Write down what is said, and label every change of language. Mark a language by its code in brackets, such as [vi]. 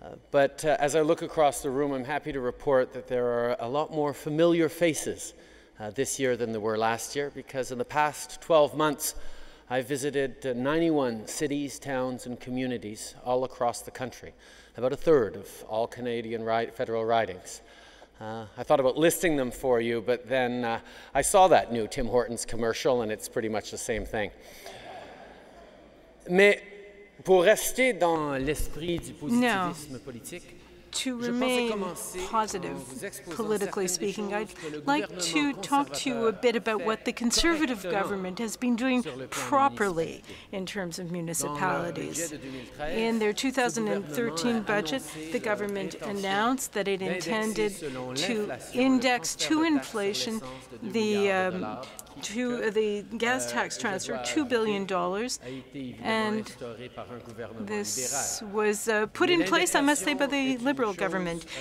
[en] But as I look across the room, I'm happy to report that there are a lot more familiar faces this year than there were last year, because in the past 12 months, I've visited 91 cities, towns, and communities all across the country, about a third of all Canadian federal ridings. I thought about listing them for you, but then I saw that new Tim Hortons commercial, and it's pretty much the same thing. [fr] Mais pour rester dans l'esprit du positivisme politique, [en] to remain positive, politically speaking, I'd like to talk to you a bit about what the Conservative government has been doing properly in terms of municipalities. In their 2013 budget, the government announced that it intended to index to inflation the gas tax transfer, $2 billion, and this was put in place, I must say, by the Liberal government.